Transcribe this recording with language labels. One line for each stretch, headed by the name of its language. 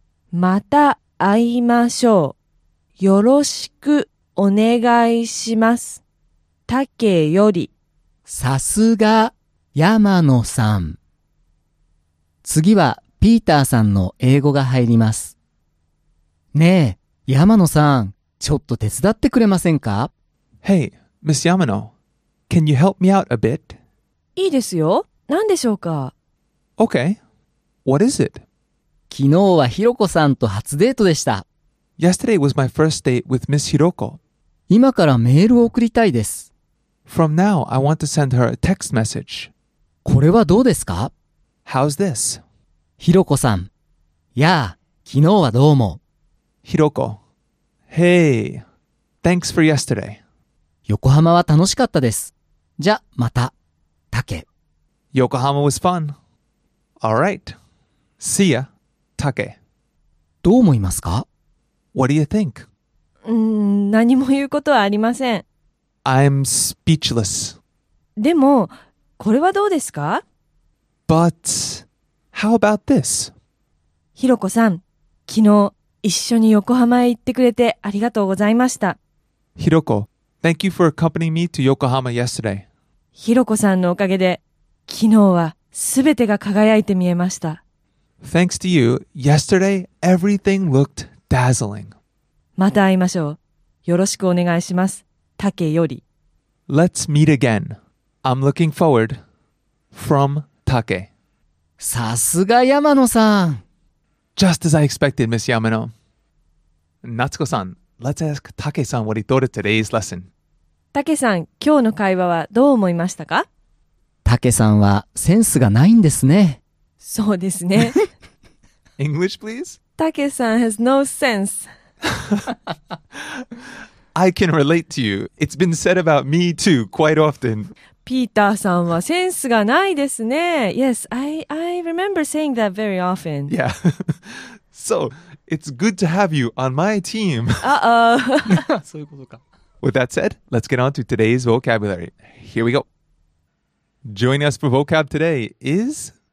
Japanese: また会いましょう。よろしくお願いします。竹より。さすが山野さん。次はピーターさんの英語が入ります。ねえ、山野さん、ちょっと手伝ってくれませんか?
English: Hey, Miss Yamano, can you help me out a bit?
Japanese: いいですよ。何でしょうか?
English: Okay, what is it?
Japanese: 昨日はひろこさんと初デートでした。
English: Yesterday was my first date with Miss Hiroko.
Japanese: 今からメールを送りたいです。
English: From now, I want to send her a text message.
Japanese: これはどうですか?
English: How's this?
Japanese: ひろこさん。やあ、昨日はどうも。
English: Hiroko. Hey, thanks for yesterday.
Japanese: 横浜は楽しかったです。じゃ、また。たけ。
English: Yokohama was fun. All right. See ya, Take.
Japanese: どう思いますか?
English: What do you think?
Japanese: 何も言うことはありません。
English: I'm speechless.
Japanese: でも、これはどうですか?
English: But, how about this?
Japanese: ひろこさん、昨日一緒に横浜へ行ってくれてありがとうございました。
English: ひろこ、thank you for accompanying me to Yokohama yesterday.
Japanese: ひろこさんのおかげで、昨日はすべてが輝いて見えました。
English: Thanks to you, yesterday everything looked dazzling.
Japanese: また会いましょう。よろしくお願いします。タケより。
English: Let's meet again. I'm looking forward. From Take. さすが山野さん。 Just as I expected, Miss Yamano. Natsuko-san, let's ask Take-san what he thought of today's lesson.
Japanese: Take-san, 今日の会話はどう思いましたか? タケさんはセンスがないんですね。そうですね。
English: English, please? タケさん has no sense. I can relate to you. It's been said about me too, quite often.
Japanese: ピーターさんはセンスがないですね。
English: Yes, I remember saying that very often. Yeah. So, it's good to have you on my team. Uh-oh.
Japanese: そういうことか。
English: With that said, let's get on to today's vocabulary. Here we go. Joining us for vocab today is...